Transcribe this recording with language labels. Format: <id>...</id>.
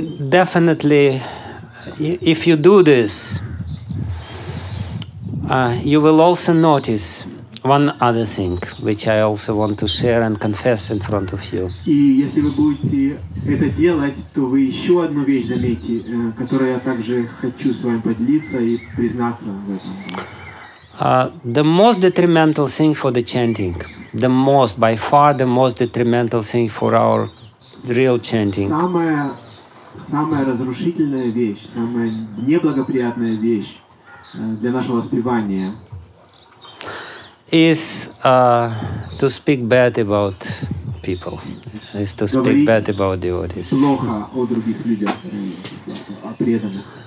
<en>Definitely, if you do this, you will also notice one other thing, which I also want to share and confess in front of you.</en> <ru>И если вы будете это делать, то вы еще одну вещь заметите, которую я также хочу с вами поделиться и признаться в этом.</ru> <en>The most detrimental thing for the chanting, the most, by far, the most detrimental thing for our real chanting.</en> <ru>Самая разрушительная вещь, самая неблагоприятная вещь для нашего воспевания</ru> <en>is to speak bad about people, is to speak bad about devotees.</en> <ru>Плохо о других людях, о преданных.</ru>